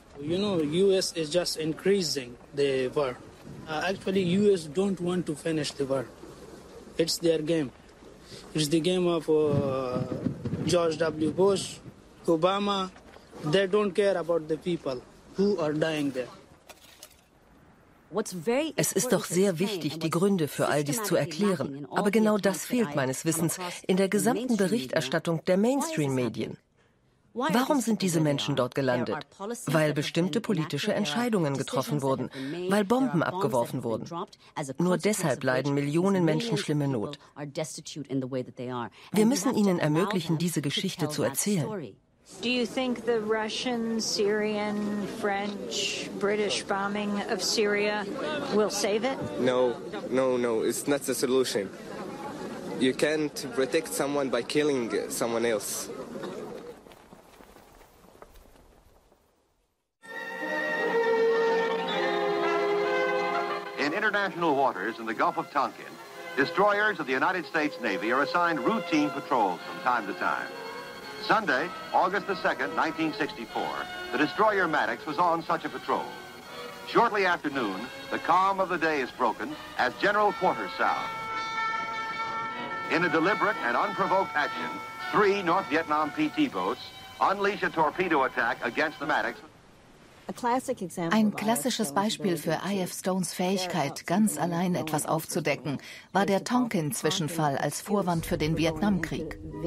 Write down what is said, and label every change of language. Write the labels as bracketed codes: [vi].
[en] You know, U.S. is just increasing the war. Actually, U.S. don't want to finish the war. It's their game. It's the game of George W. Bush, Obama. They don't care about the people who are dying there. [de] Es ist doch sehr wichtig, die Gründe für all dies zu erklären. Aber genau das fehlt meines Wissens in der gesamten Berichterstattung der Mainstream-Medien. Warum sind diese Menschen dort gelandet? Weil bestimmte politische Entscheidungen getroffen wurden, weil Bomben abgeworfen wurden. Nur deshalb leiden Millionen Menschen schlimme Not. Wir müssen ihnen ermöglichen, diese Geschichte zu erzählen. [en] Do you think the Russian, Syrian, French, British bombing of Syria will save it? No. It's not the solution. You can't protect someone by killing someone else. In international waters in the Gulf of Tonkin, destroyers of the United States Navy are assigned routine patrols from time to time. Sunday, August the 2nd, 1964, the destroyer Maddox was on such a patrol. Shortly after noon, the calm of the day is broken as general quarters sound. In a deliberate and unprovoked action, three North Vietnam PT boats unleash a torpedo attack against the Maddox. [de] Ein klassisches Beispiel für I.F. Stones Fähigkeit, ganz allein etwas aufzudecken, war der Tonkin-Zwischenfall als Vorwand für den Vietnamkrieg.